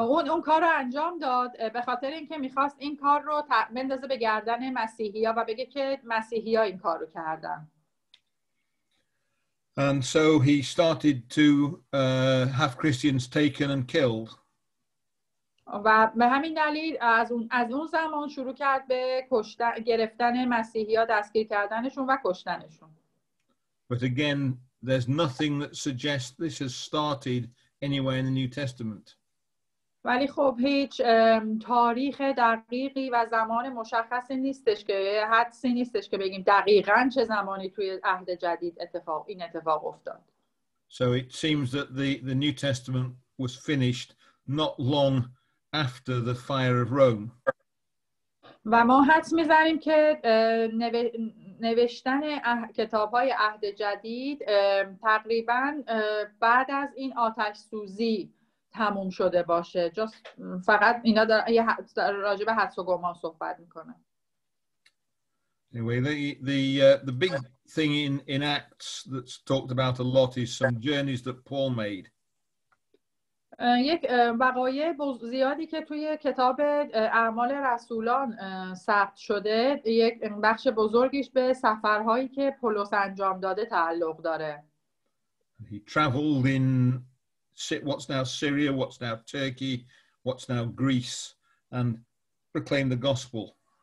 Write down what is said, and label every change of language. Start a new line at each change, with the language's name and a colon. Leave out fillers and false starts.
Persian: اون کارو انجام داد به خاطر اینکه میخواست این کار رو بندازه به گردن مسیحی ها و بگه که مسیحی ها این کارو کردن.
English: And so he started to have Christians taken and killed.
Persian: و به همین دلیل از اون زمان شروع کرد به کشتن گرفتن مسیحی ها دستگیر کردنشون و کشتنشون.
English: But again, there's nothing that suggests this has started anywhere in the New Testament.
Persian: ولی خب هیچ تاریخ دقیقی و زمان مشخصی نیستش که حدسی نیستش که بگیم دقیقاً چه زمانی توی عهد جدید اتفاق این اتفاق افتاد.
English: So it seems that the New Testament was finished not long after the fire of Rome.
Persian: و ما حدس می‌زنیم که نوشتن کتاب‌های عهد جدید تقریباً بعد از این آتش سوزی تموم شده باشه. جاست فقط اینا در راجع به حدس و گمان صحبت می‌کنه.
English: Anyway, the big thing in Acts that's talked about a lot is some journeys that Paul made.
Persian: یک بقایای زیادی که توی کتاب اعمال رسولان ثبت شده، یک بخش بزرگیش به سفرهایی که پولس انجام داده تعلق داره.
English: He traveled in what's now Syria, what's now Turkey, what's now Greece, and proclaimed the gospel.